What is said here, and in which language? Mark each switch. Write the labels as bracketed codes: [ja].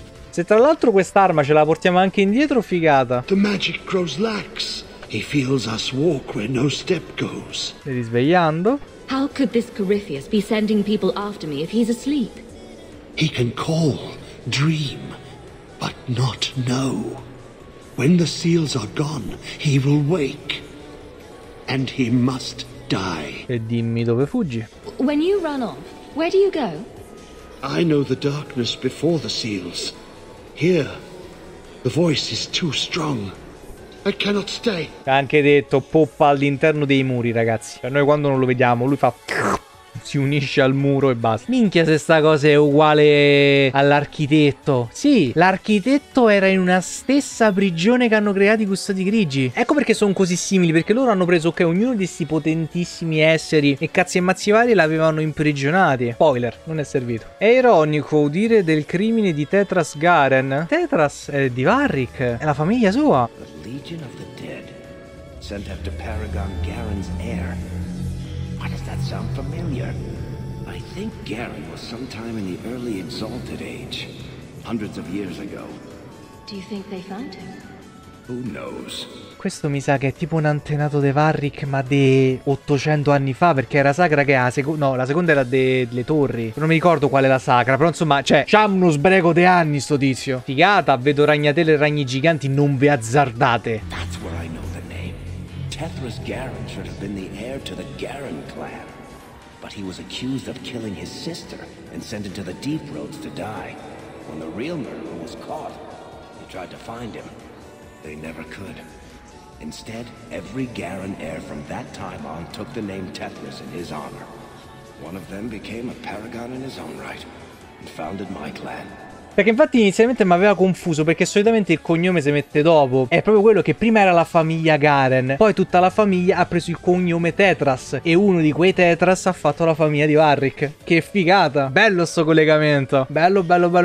[it] Se tra l'altro quest'arma ce la portiamo anche indietro, figata. [en] The magic grows lax. He feels us walk where no step goes. [it] Mi risvegliando. [en] How could this Corypheus be sending people after me if he's asleep? He can call, dream, but not know. When the seals are gone, he will wake. And he must die. [it] E dimmi dove fuggi. [en] When you run off, where do you go? I know the darkness before the seals. Here, the voice is too strong. I cannot stay. [it] Ha anche detto poppa all'interno dei muri, ragazzi. Noi quando non lo vediamo, lui fa si unisce al muro e basta. Minchia, se sta cosa è uguale all'architetto. Sì, l'architetto era in una stessa prigione che hanno creato i custodi grigi. Ecco perché sono così simili, perché loro hanno preso che ognuno di questi potentissimi esseri e cazzi e mazzi vari l'avevano imprigionati. Spoiler, non è servito. È ironico udire del crimine di Tetras Garen. Tetras è di Varric, è la famiglia sua. [en] Legion of the Dead sent after Paragon Garen's heir. Why does that sound familiar? I think Garen was sometime in the early exalted age, hundreds of years ago. Do you think they found him? Who knows? [it] Questo mi sa che è tipo un antenato de Varric, ma de 800 anni fa, perché era sacra che ha no, la seconda era delle torri. Non mi ricordo qual è la sacra, però insomma, cioè, c'ha uno sbrego de anni sto tizio. Figata, vedo ragnatele e ragni giganti, non vi azzardate. [en] That's where I know the name. Tethras Garen should have been the heir to the Garen clan. But he was accused of killing his sister and sent into the Deep Roads to die. When the real murderer was caught, they tried to find him. They never could. Instead, every Garen heir from that time on took the name Tethras in his honor. One of them became a paragon in his own right and founded my clan. [it] Perché infatti inizialmente mi aveva confuso, perché solitamente il cognome si mette dopo. È proprio quello che prima era la famiglia Garen, poi tutta la famiglia ha preso il cognome Tetras, e uno di quei Tetras ha fatto la famiglia di Varric. Che figata, bello sto collegamento, bello bello bello.